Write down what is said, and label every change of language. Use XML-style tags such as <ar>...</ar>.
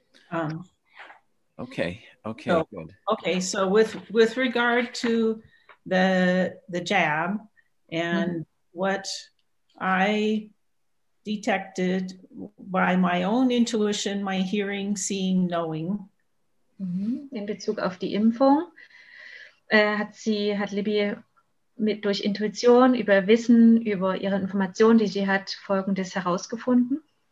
<de>Ja.</de> <en>Okay, so, good. Okay, so with regard to the jab and what I detected by my own intuition, my hearing, seeing, knowing.</en> <de>In Bezug auf die Impfung hat Libby durch Intuition, über Wissen, über ihre Informationen, die sie hat, Folgendes herausgefunden.</de>